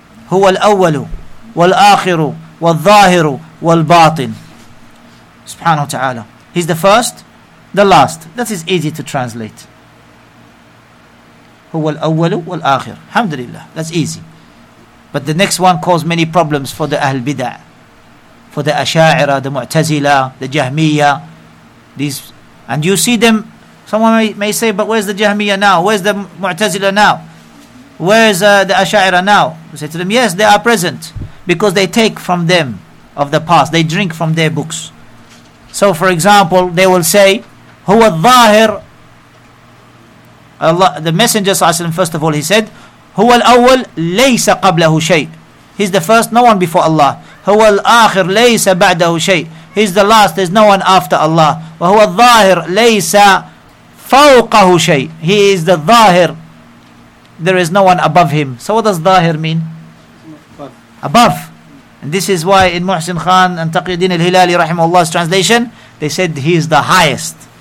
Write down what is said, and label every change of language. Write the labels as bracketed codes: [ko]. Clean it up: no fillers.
[ar] هو الأول والآخر والظاهر والباطن. [en] Subhanahu wa ta'ala. He's the first, the last. That is easy to translate. [ar] Huwa al-awwalu wal-akhir. [en] Alhamdulillah, that's easy. But the next one caused many problems for the Ahl Bid'ah, for the Asha'ira, the Mu'tazila, the Jahmiya. These, and you see them, someone may say, but where's the Jahmiya now? Where's the Mu'tazila now? Where's the Asha'ira now? We say to them, yes, they are present. Because they take from them of the past. They drink from their books. So for example, they will say, [ar] هو الظاهر. [en] Allah, the Messenger صلى الله عليه وسلم, first of all, he said, [ar] هو الأول ليس قبله شيء. [en] He's the first, no one before Allah. [ar] هو الآخر ليس بعده شيء. [en] He's the last, there's no one after Allah. [ar] وهو الظاهر ليس فوقه شيء. [en] He is the ظاهر. There is no one above him. So what does ظاهر mean? Above. And this is why in Muhsin Khan and Taqiyuddin al-Hilali rahimahullah's translation, they said he is the highest.